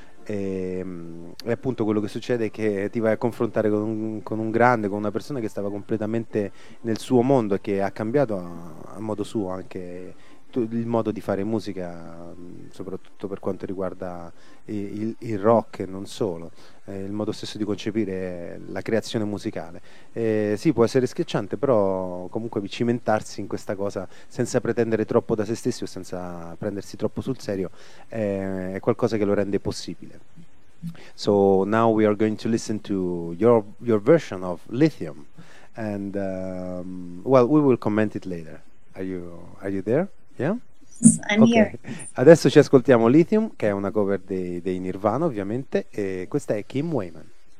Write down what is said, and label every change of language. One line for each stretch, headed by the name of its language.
Italian: E appunto quello che succede è che ti vai a confrontare con un grande, con una persona che stava completamente nel suo mondo e che ha cambiato a modo suo anche il modo di fare musica, soprattutto per quanto riguarda il rock e non solo, il modo stesso di concepire la creazione musicale. Sì, può essere schiacciante, però comunque cimentarsi in questa cosa senza pretendere troppo da se stessi o senza prendersi troppo sul serio è qualcosa che lo rende possibile.
English: So now we are going to listen to your version of Lithium, and well, we will comment it later. Are you there? Yeah? I'm okay. Here.
Italian: Adesso ci ascoltiamo Lithium, che è una cover dei Nirvana, ovviamente, e questa è Kim Wayman.